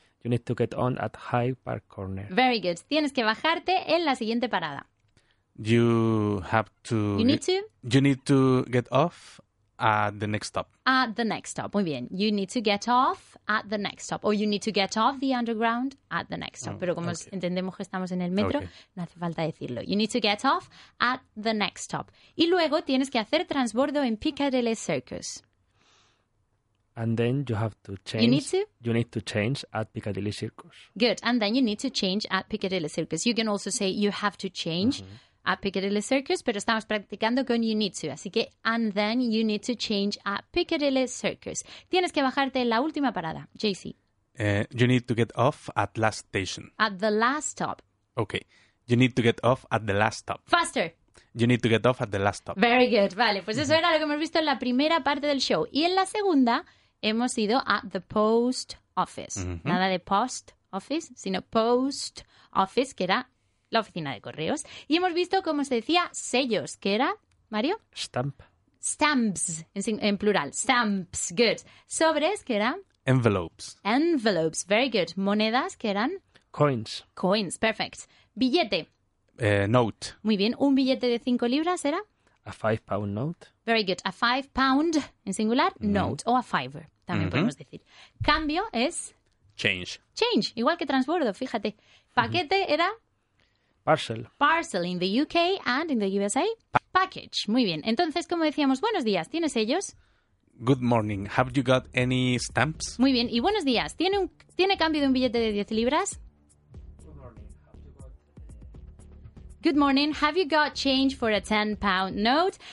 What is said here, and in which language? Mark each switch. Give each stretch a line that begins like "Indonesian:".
English: You need to get on at Hyde Park Corner. Very good.
Spanish: Tienes que bajarte en la siguiente parada.
English: You have to... You need to... You need to get off... At the next stop. At the next stop.
Spanish: Muy bien.
English: You need to get off at the next stop. Or you need to get off the underground at the next stop.
Spanish: Pero como
English: okay.
Spanish: entendemos que estamos en el metro, okay. no hace falta decirlo.
English: You need to get off at the next stop.
Spanish: Y luego tienes que hacer transbordo en Piccadilly Circus.
English: And then you have to change. You need to? You need to change at Piccadilly Circus. Good. And then you need to change at Piccadilly Circus. You can also say you have to change. Mm-hmm. At Piccadilly Circus,
Spanish: pero estamos practicando con
English: you need to.
Spanish: Así que,
English: and then you need to change at Piccadilly Circus.
Spanish: Tienes que bajarte en la última parada, JC.
English: You need to get off at last station. At the last stop. Okay. You need to get off at the last stop. Faster. You need to get off at the last stop. Very good.
Spanish: Vale, pues eso era lo que hemos visto en la primera parte del show. Y en la segunda hemos ido
English: at the post office.
Spanish: Mm-hmm. Nada de post office, sino post office, que era... La oficina de correos. Y hemos visto cómo se decía sellos, que era, Mario.
English: Stamp.
Spanish: Stamps, en plural.
English: Stamps, good.
Spanish: Sobres, ¿qué eran?
English: Envelopes. Envelopes, very good.
Spanish: Monedas, ¿qué eran?
English: Coins. Coins, perfect. Billete. Note.
Spanish: Muy bien. ¿Un billete de 5 libras era?
English: A 5-pound note. Very good. A 5-pound,
Spanish: en singular,
English: note.
Spanish: O
English: a fiver,
Spanish: también podemos decir. Cambio es...
English: Change. Change,
Spanish: igual que transbordo, fíjate. Paquete era...
English: Parcel. Parcel in the UK and in the USA.
Spanish: Package. Muy bien. Entonces, como decíamos, buenos días. ¿Tienes sellos?
English: Good morning. Have you got any stamps?
Spanish: Muy bien. Y buenos días. ¿Tiene un, tiene cambio de un billete de 10 libras?
English: Good morning. Have you got change for a 10-pound note?